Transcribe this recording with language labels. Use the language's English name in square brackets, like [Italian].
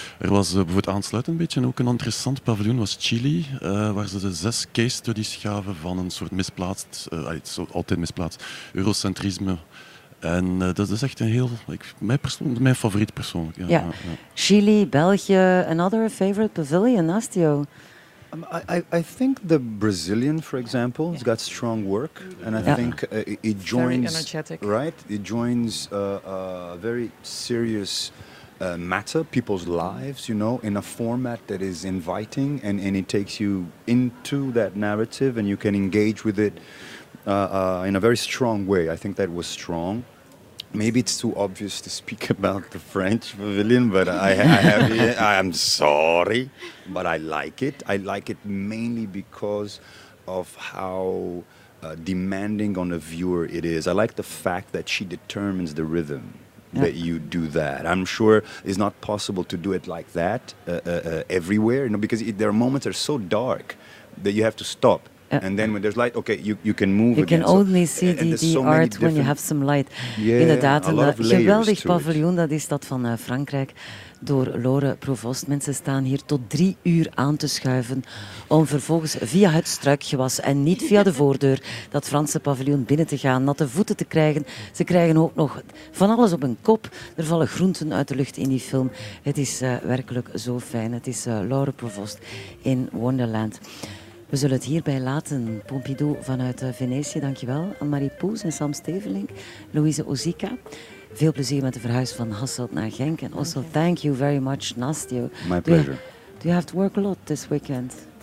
[Dutch] Er was bijvoorbeeld aansluitend een beetje ook een interessant paviljoen, was Chili, waar ze 6 case studies gaven van een soort misplaatst, altijd misplaatst, eurocentrisme. En dat is echt mijn favoriet persoonlijk. [English] Chili, België, another favorite pavilion, Nastio. I think the Brazilian, for example, has got strong work, and I think it joins very energetic. Right. It joins a very serious matter, people's lives, you know, in a format that is inviting, and it takes you into that narrative, and you can engage with it in a very strong way. I think that was strong. Maybe it's too obvious to speak about the French pavilion, but I'm sorry, but I like it. I like it mainly because of how demanding on the viewer it is. I like the fact that she determines the rhythm that you do that. I'm sure it's not possible to do it like that everywhere, you know, because there are moments that are so dark that you have to stop. And then when there's light, okay, you can move you again. You can only see the art when you have some light. Yeah, [Dutch] inderdaad, [English] a lot of layers. [Dutch] Geweldig paviljoen, dat is dat van Frankrijk, door Lore Provost. Mensen staan hier tot 3 uur aan te schuiven om vervolgens via het struikgewas en niet via de voordeur dat Franse paviljoen binnen te gaan, natte voeten te krijgen. Ze krijgen ook nog van alles op hun kop. Er vallen groenten uit de lucht in die film. Het is werkelijk zo fijn. Het is Lore Provost in Wonderland. We zullen het hierbij laten. Pompidou vanuit Venetië, dankjewel. Anne-Marie Poes en Sam Stevelink. Louise Ozika. Veel plezier met de verhuis van Hasselt naar Genk. [English] En also, thank you very much, Nastio. My pleasure. Do you have to work a lot this weekend?